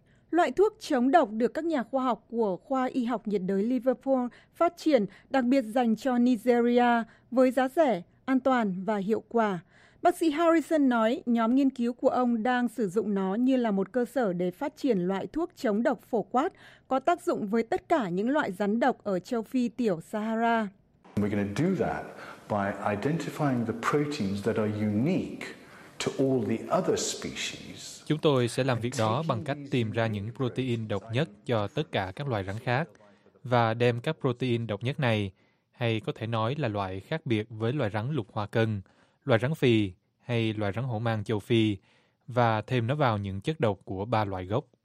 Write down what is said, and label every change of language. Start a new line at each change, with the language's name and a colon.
Vietnamese: Loại thuốc chống độc được các nhà khoa học của Khoa Y học Nhiệt đới Liverpool phát triển đặc biệt dành cho Nigeria với giá rẻ, an toàn và hiệu quả. Bác sĩ Harrison nói nhóm nghiên cứu của ông đang sử dụng nó như là một cơ sở để phát triển loại thuốc chống độc phổ quát có tác dụng với tất cả những loại rắn độc ở châu Phi tiểu Sahara.
English: We're going to do that by identifying the proteins that are unique.
Vietnamese: Chúng tôi sẽ làm việc đó bằng cách tìm ra những protein độc nhất cho tất cả các loài rắn khác và đem các protein độc nhất này, hay có thể nói là loại khác biệt với loài rắn lục hoa cân, loài rắn phì hay loài rắn hổ mang châu Phi, và thêm nó vào những chất độc của ba loại gốc.